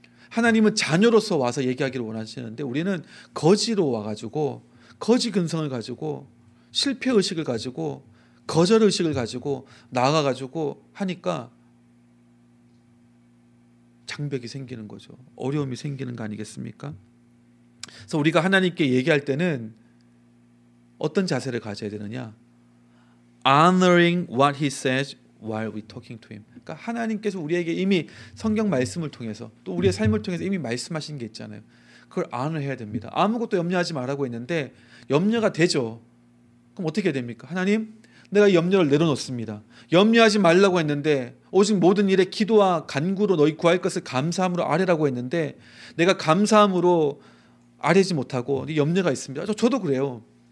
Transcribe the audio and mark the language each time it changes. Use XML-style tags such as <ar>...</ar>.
<ko>하나님은 자녀로서 와서 얘기하기를 원하시는데 우리는 거지로 와가지고 거지 근성을 가지고 실패의식을 가지고 거절의식을 가지고 나가가지고 하니까 장벽이 생기는 거죠. 어려움이 생기는 거 아니겠습니까? 그래서 우리가 하나님께 얘기할 때는 어떤 자세를 가져야 되느냐?</ko> <en>Honoring what he says while we talking to him.</en> <ko>그러니까 하나님께서 우리에게 이미 성경 말씀을 통해서 또 우리의 삶을 통해서 이미 말씀하신 게 있잖아요. 그걸 안을 해야 됩니다. 아무것도 염려하지 말라고 했는데 염려가 되죠. 그럼 어떻게 해야 됩니까? 하나님, 내가 염려를 내려놓습니다. 염려하지 말라고 했는데 오직 모든 일에 기도와 간구로 너희 구할 것을 감사함으로 아뢰라고 했는데 내가 감사함으로 아뢰지 못하고 염려가 있습니다. 저도 그래요.</ko>